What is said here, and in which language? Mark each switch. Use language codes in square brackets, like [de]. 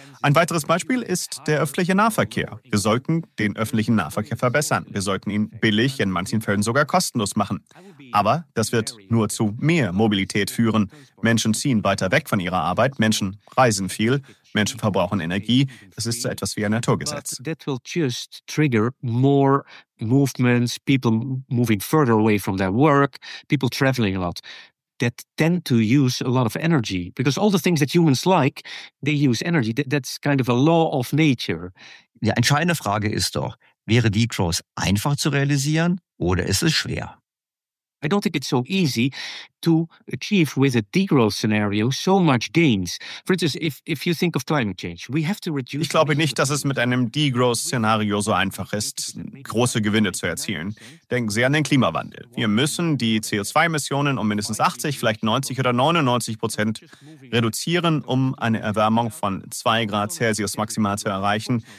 [de] Ein weiteres Beispiel ist der öffentliche Nahverkehr. Wir sollten den öffentlichen Nahverkehr verbessern. Wir sollten ihn billig, in manchen Fällen sogar kostenlos machen. Aber das wird nur zu mehr Mobilität führen. Menschen ziehen weiter weg von ihrer Arbeit, Menschen reisen viel, Menschen verbrauchen Energie. Das ist so etwas wie ein Naturgesetz. [en] That will just trigger more movements, people moving further away from their work, people traveling a lot, that tend to use a lot of energy. Because all the things that humans like, they use energy. That's kind of a law of nature. [de] Die entscheidende Frage ist doch, wäre Degrowth einfach zu realisieren oder ist es schwer? [en] I don't think it's so easy to achieve with a degrowth scenario so much gains. For instance, if you think of climate change, we have to reduce. [de] Ich glaube nicht, dass es mit einem Degrowth-Szenario so einfach ist, große Gewinne zu erzielen. Denken Sie an den Klimawandel. Wir müssen die CO2-Emissionen um mindestens 80, vielleicht 90 oder 99% reduzieren, um eine Erwärmung von 2 Grad Celsius maximal zu erreichen.